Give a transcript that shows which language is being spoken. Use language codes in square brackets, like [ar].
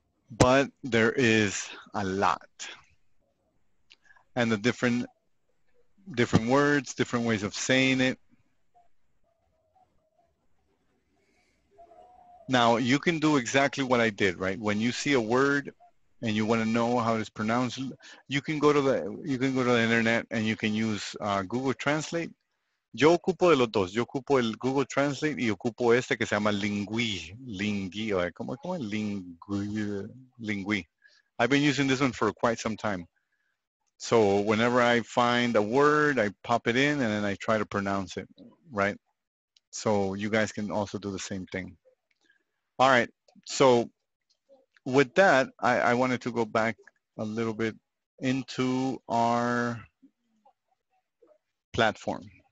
[en] But there is a lot. And the different words, different ways of saying it. Now, you can do exactly what I did, right? When you see a word and you want to know how it's pronounced, you can go to the internet and you can use Google Translate. [es] Yo ocupo de los dos. Yo ocupo el Google Translate y ocupo este que se llama Lingui. Lingui. ¿Cómo es? Lingui. [en] I've been using this one for quite some time. So whenever I find a word, I pop it in and then I try to pronounce it, right? So you guys can also do the same thing. All right, so with that, I wanted to go back a little bit into our platform.